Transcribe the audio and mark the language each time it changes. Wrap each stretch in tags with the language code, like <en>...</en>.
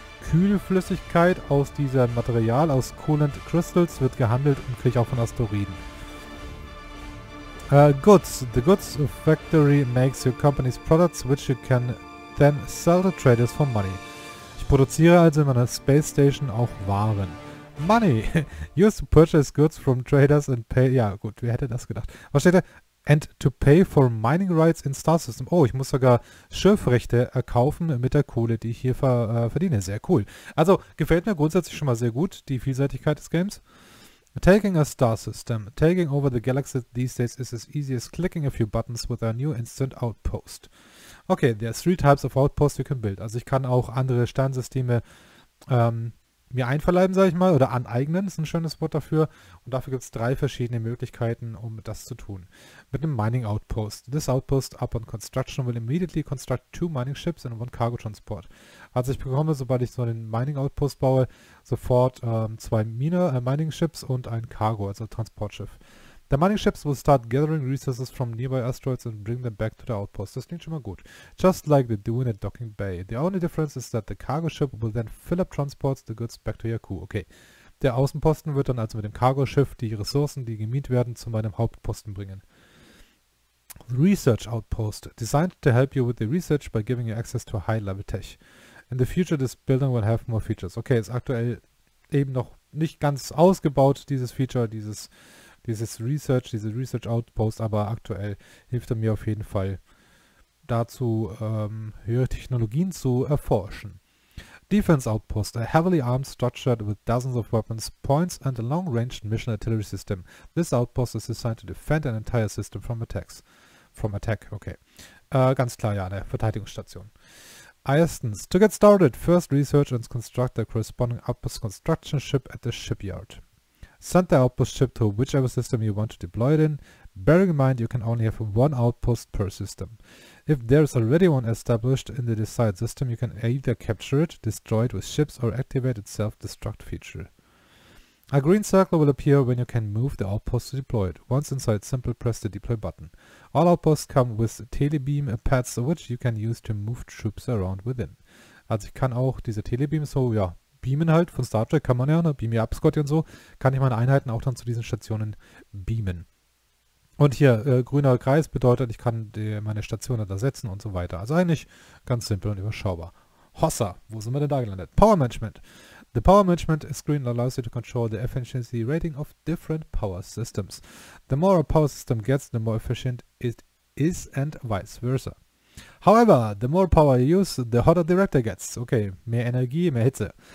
<de>Kühlflüssigkeit aus diesem Material, aus Coolant Crystals, wird gehandelt und kriege ich auch von Asteroiden.</de> <en>Goods. The goods factory makes your company's products, which you can then sell to traders for money.</en> <de>Ich produziere also in meiner Space Station auch Waren.</de> <en>Money! Used to purchase goods from traders and pay...</en> <de>Ja, gut, wer hätte das gedacht? Was steht da?</de> <en>And to pay for mining rights in Star System.</en> <de>Oh, ich muss sogar Schiffrechte erkaufen mit der Kohle, die ich hier verdiene. Sehr cool. Also, gefällt mir grundsätzlich schon mal sehr gut, die Vielseitigkeit des Games.</de> <en>Taking a Star System. Taking over the galaxy these days is as easy as clicking a few buttons with our new instant outpost. Okay, there are three types of outposts you can build.</en> <de>Also, ich kann auch andere Sternsysteme... mir einverleiben, sage ich mal, oder aneignen, ist ein schönes Wort dafür. Und dafür gibt es drei verschiedene Möglichkeiten, um das zu tun. Mit einem Mining Outpost.</de> <en>This Outpost upon construction will immediately construct two mining ships and one cargo transport.</en> <de>Also ich bekomme, sobald ich so einen Mining Outpost baue, sofort zwei Mining Ships und ein Cargo, also Transportschiff.</de> <en>The mining ships will start gathering resources from nearby asteroids and bring them back to the outpost.</en> <de>Das klingt schon mal gut.</de> <en>Just like they do in a docking bay. The only difference is that the cargo ship will then fill up transports the goods back to Yaku. Okay.</en> <de>Der Außenposten wird dann also mit dem Cargo-Schiff die Ressourcen, die gemint werden, zu meinem Hauptposten bringen.</de> <en>Research Outpost. Designed to help you with the research by giving you access to high-level tech. In the future this building will have more features.</en> <de>Okay, ist aktuell eben noch nicht ganz ausgebaut, dieses Feature, diese Research Outpost, aber aktuell hilft er mir auf jeden Fall dazu, höhere Technologien zu erforschen.</de> <en>Defense Outpost, a heavily armed structure with dozens of weapons, points and a long-range mission artillery system. This outpost is designed to defend an entire system from attacks. From attack, okay.</en> <de>Ganz klar, ja, eine Verteidigungsstation. Erstens,</de> <en>to get started, first research and construct the corresponding outpost construction ship at the shipyard. Send the outpost ship to whichever system you want to deploy it in. Bearing in mind, you can only have one outpost per system. If there is already one established in the desired system, you can either capture it, destroy it with ships, or activate its self-destruct feature. A green circle will appear when you can move the outpost to deploy it. Once inside, simply press the deploy button. All outposts come with telebeam pads, which you can use to move troops around within.</en> <de>Also ich kann auch diese Telebeam so, ja, beamen halt, von Star Trek kann man ja, ne,</de> <en>beam up, Scotty</en> <de>und so, kann ich meine Einheiten auch dann zu diesen Stationen beamen. Und hier, grüner Kreis bedeutet, ich kann meine Stationen da setzen und so weiter. Also eigentlich ganz simpel und überschaubar. Hossa, wo sind wir denn da gelandet? Power Management.</de> <en>The power management screen allows you to control the efficiency rating of different power systems. The more a power system gets, the more efficient it is and vice versa. However, the more power you use, the hotter the reactor gets. Okay,</en> <de>mehr Energie, mehr Hitze.</de>